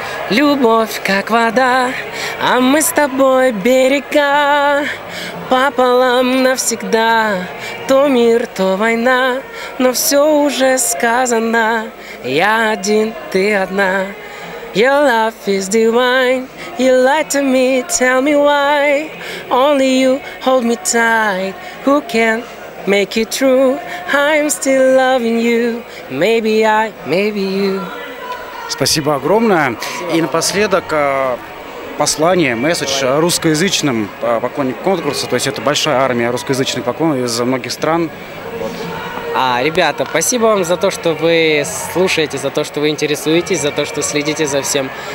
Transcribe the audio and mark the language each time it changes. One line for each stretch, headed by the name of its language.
Russian: Любовь, как вода, а мы с тобой берега, пополам навсегда, то мир, то война, но все уже сказано, я один, ты одна.
English: Your love is divine, you lie to me, tell me why, only you hold me tight, who can make it true, I'm still loving you, maybe I, maybe you.
Russian: Спасибо огромное. Спасибо. И напоследок послание, месседж русскоязычным поклонникам конкурса. То есть это большая армия русскоязычных поклонников из многих стран. Вот. Ребята, спасибо вам за то, что вы слушаете, за то, что вы интересуетесь, за то, что следите за всем.